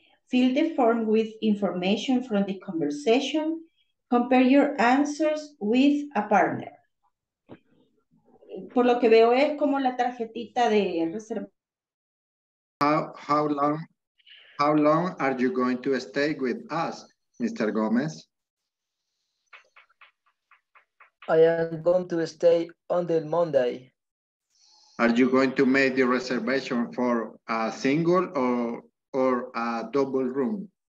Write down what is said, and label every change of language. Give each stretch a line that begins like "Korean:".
English: Fill the form with information from the conversation. Compare your answers with a partner.
Spanish: Por lo que veo es como la tarjetita de reserva.
English: How long are you going to stay with us, Mr. Gomez? I am going to stay until Monday. Are you going to make the reservation for a single or a double room?